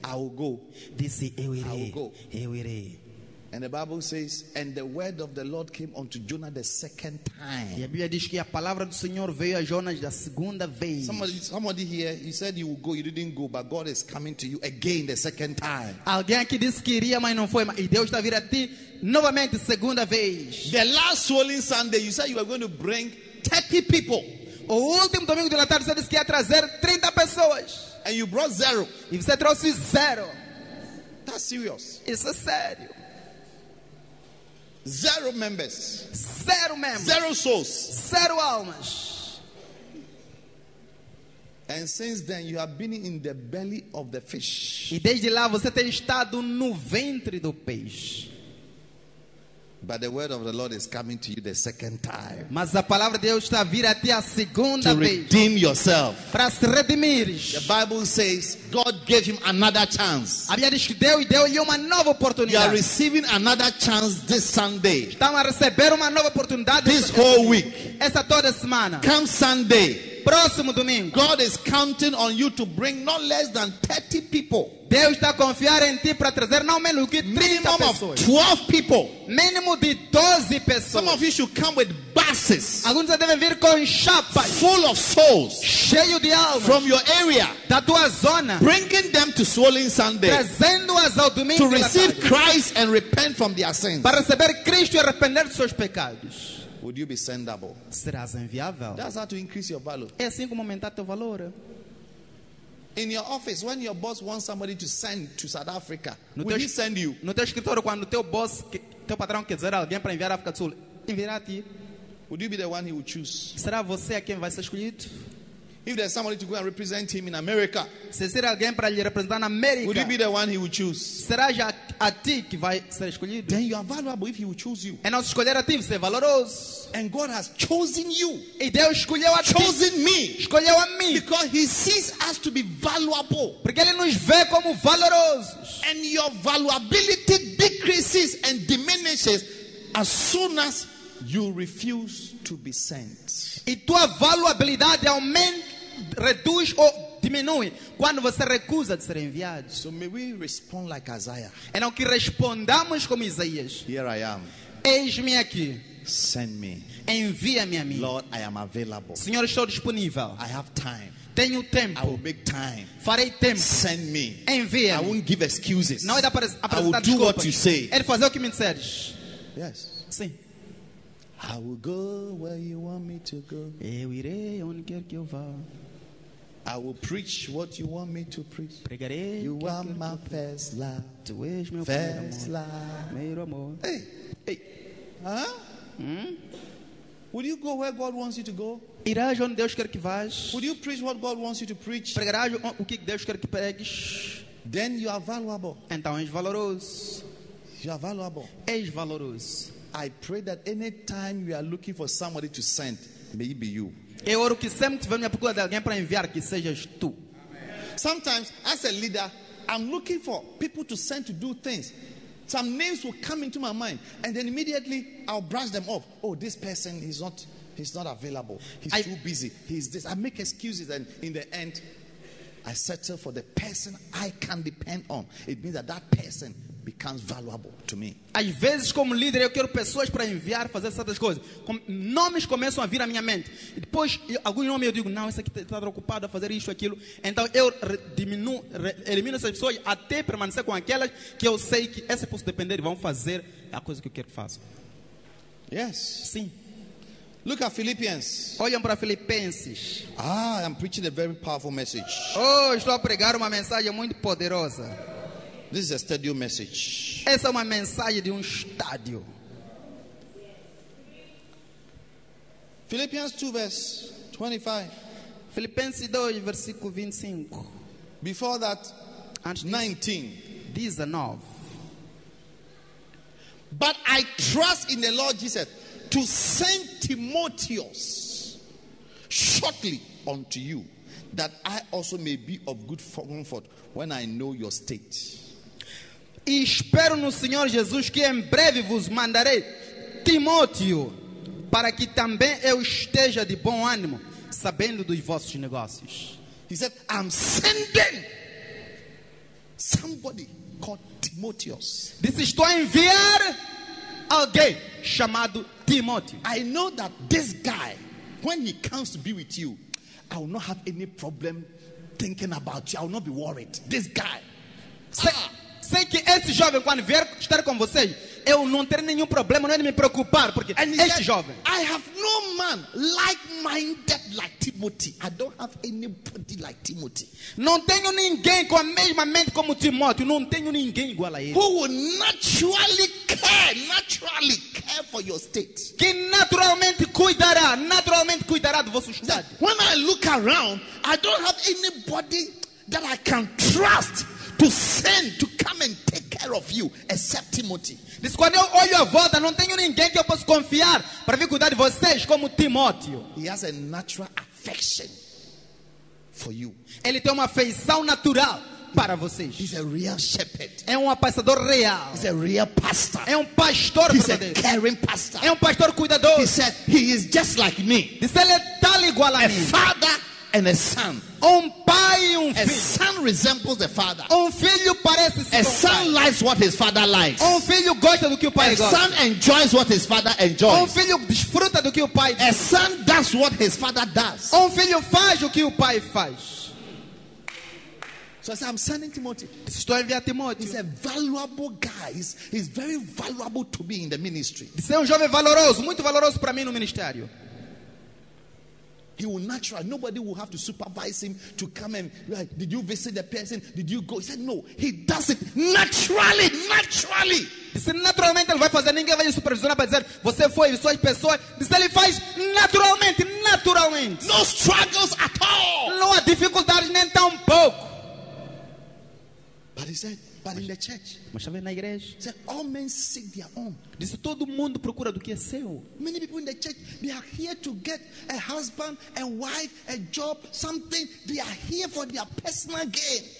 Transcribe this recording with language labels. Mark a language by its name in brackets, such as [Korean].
[English] Said, I will go. [Portuguese] Disse, eu irei. [English] I will go. [Portuguese] Eu irei. [English] And the Bible says, and the word of the Lord came unto Jonah the second time. [Portuguese] E a Bíblia diz que a palavra do Senhor veio a Jonas da segunda vez. [English] Somebody here, you said you would go, you didn't go, but God is coming to you again the second time. [Portuguese] Alguém aqui disse que iria, mas não foi, e Deus está vindo a ti novamente segunda vez. [English] The last swollen Sunday, you said you were going to bring 30 people. [Portuguese] O último domingo de Natal, você disse que ia trazer 30 pessoas. [English] And you brought zero. [Portuguese] E você trouxe zero. [English] That's serious. [Portuguese] Isso é sério. [English] Zero members. Zero members. Zero souls. [Portuguese] Zero almas. [English] And since then you have been in the belly of the fish. [Portuguese] E desde lá você tem estado no ventre do peixe. [English] But the word of the Lord is coming to you the second time. [Portuguese] Mas a palavra de Deus está vindo a ti a segunda [English] vez. To redeem yourself. [Portuguese] Para se redimir. [English] The Bible says God gave him another chance. [Portuguese] A Bíblia diz que Deus deu-lhe uma nova oportunidade. [English] You are receiving another chance this Sunday. [Portuguese] Estamos a receber uma nova oportunidade. [English] This whole week. [Portuguese] Essa toda semana. [English] Come Sunday. [Portuguese] Próximo domingo. [English] God is counting on you to bring not less than 30 people. [Portuguese] Deus está a confiar em ti para trazer não menos que 30 [English] minimum [Portuguese] pessoas. [English] Of 12 people. [Portuguese] Mínimo de 12 pessoas. [English] Some of you should come with buses. [Portuguese] Alguns devem vir com chapas. [English] Full of souls. [Portuguese] Cheio de almas. [English] From your area. [Portuguese] Da tua zona. [English] Bringing them to Swollen Sunday. [Portuguese] Trazendo-as ao domingo. [English] To receive Christ and repent from their sins. [Portuguese] Para receber Cristo e arrepender dos seus pecados. [English] Would you be sendable? [Portuguese] Serás enviável. [English] That's how to increase your value. [Portuguese] É assim como aumentar teu valor. [English] In your office, when your boss wants somebody to send to South Africa, will he send you? [Portuguese] No teu escritório, quando teu boss, teu patrão quer dizer alguém para enviar a África do Sul, enviará a ti. [English] Would you be the one he will choose? [Portuguese] Será você a quem vai ser escolhido? [English] If there's somebody to go and represent him in America, [Portuguese] se ser alguém para lhe representar na América, [English] would you be the one he will choose? [Portuguese] Será já a ti que vai ser escolhido? [English] Then you are valuable if he will choose you. [Portuguese] É nosso escolher a ti, você é valoroso. [English] And God has chosen you. [Portuguese] E Deus escolheu a ti. [English] Chosen me. [Portuguese] Escolheu a mim. [English] Because he sees us to be valuable. [Portuguese] Porque ele nos vê como valorosos. [English] And your valuability decreases and diminishes as soon as you refuse to be sent. [Portuguese] E tua valuabilidade aumenta, reduz ou diminui quando você recusa de ser enviado. [English] So may we respond like Isaiah. [Portuguese] É não que respondamos como Isaías. [English] Here I am. [Portuguese] Eis-me aqui. [English] Send me. [Portuguese] Envia-me a mim. [English] Lord, I am available. [Portuguese] Senhor, estou disponível. [English] I have time. [Portuguese] Tenho tempo. [English] I will make time. [Portuguese] Farei tempo. [English] Send me. [Portuguese] Envia-me. [English] I won't give excuses. [Portuguese] Não é da apresentar [English] desculpas. I will do what you say. [Portuguese] É de fazer o que me disseres. [English] Yes. [Portuguese] Sim. [English] I will go where you want me to go. [Portuguese] Eu irei onde quer que eu vá. [English] I will preach what you want me to preach. [Portuguese] Pregarei. [English] You are my first love. [Portuguese] Tu és meu [English] first [Portuguese] primeiro amor. [English] Love. Hey, hey, huh? Hmm? Would you go where God wants you to go? [Portuguese] Irás onde Deus quer que vás? [English] Would you preach what God wants you to preach? [Portuguese] Pregarás o que Deus quer que pregues? [English] Then you are valuable. [Portuguese] Então és valoroso. [English] You are valuable. [Portuguese] És valoroso. [English] I pray that any time you are looking for somebody to send, may it be you. [Portuguese] Eu oro que sempre tiver minha procura de alguém para enviar, que sejas tu. [English] Sometimes, as a leader, I'm looking for people to send to do things. Some names will come into my mind, and then immediately I'll brush them off. Oh, this person is not available. Too busy. He's this. I make excuses, and in the end, I settle for the person I can depend on. It means that person becomes valuable to me. [Portuguese] Às vezes, como líder, eu quero pessoas para enviar, fazer certas coisas. Nomes começam a vir à minha mente. E depois, alguns nomes eu digo, não, esse aqui está preocupado a fazer isto, aquilo. Então, eu elimino essas pessoas até permanecer com aquelas que eu sei que essa posso depender e vão fazer a coisa que eu quero que faça. [English] Yes. [Portuguese] Sim. [English] Look at Philippians. [Portuguese] Olhem para Filipenses. [English] Ah, I'm preaching a very powerful message. [Portuguese] Oh, estou a pregar uma mensagem muito poderosa. [English] This is a studio message. [Portuguese] Essa é uma mensagem de estádio. [English] Philippians 2 verse 25. [Portuguese] Filipenses 2, versículo 25. [English] Before that, and 19. These are 9. But I trust in the Lord Jesus to send Timotheus shortly unto you, that I also may be of good comfort when I know your state. [Portuguese] E espero no Senhor Jesus que em breve vos mandarei Timóteo, para que também eu esteja de bom ânimo, sabendo dos vossos negócios. [English] He said, I'm sending somebody called Timotheus. [Portuguese] Disse, estou a enviar alguém chamado Timóteo. [English] I know that this guy, when he comes to be with you, I will not have any problem thinking about you. I will not be worried. This guy. [Portuguese] Sei que esse jovem, quando vier estar com vocês, eu não terei nenhum problema, não é de me preocupar, porque esse [English] said, [Portuguese] jovem. [English] I have no man like-minded like Timothy. I don't have anybody like Timothy. [Portuguese] Não tenho ninguém com a mesma mente como Timothy. Não tenho ninguém igual a ele. [English] Who will naturally care for your state. [Portuguese] Que naturalmente cuidará do vosso estado. [English] When I look around, I don't have anybody that I can trust to send to come and take care of you, except Timothy. [Portuguese] Diz, quando eu olho a volta, não tenho ninguém que eu possa confiar para vir cuidar de vocês como Timóteo. [English] He has a natural affection for you. [Portuguese] Ele tem uma afeição natural para vocês. [English] He's a real shepherd. [Portuguese] É um apacentador real. [English] He's a real pastor. [Portuguese] É um pastor [English] verdadeiro. He's a caring pastor. [Portuguese] É um pastor cuidador. [English] He said he is just like me. [Portuguese] Diz, ele é tal igual a [English] mim. A father and a son. [Portuguese] Um pai e um filho. [English] A son resembles the father. [Portuguese] Um filho parece [English] a son pai. Likes what his father likes. [Portuguese] Um filho gosta do que o pai a gosta. [English] Son enjoys what his father enjoys. [Portuguese] Um filho desfruta do que o pai [English] a son does what his father does. [Portuguese] Um filho faz o que o pai faz. [English] So I said, I'm sending Timothy. [Portuguese] Estou enviando Timóteo. [English] He's a valuable guy. He's very valuable to me in the ministry. [Portuguese] Ele é um jovem valoroso, muito valoroso para mim no ministério. [English] He will naturally, nobody will have to supervise him to come and, like, did you visit the person? Did you go? He said, no. He does it naturally. He said, [Portuguese] naturalmente ele vai fazer, ninguém vai supervisionar para dizer, você foi, você as pessoas. [English] He said, [Portuguese] ele faz naturalmente. [English] No struggles at all. [Portuguese] Não há dificuldades nem tão pouco. [English] But he said, but in the church. [Portuguese] Mas estava na igreja. [English] He said, all men seek their own. [Portuguese] Disse, todo mundo procura do que é seu. [English] Many people in the church, they are here to get a husband, a wife, a job, something. They are here for their personal gain.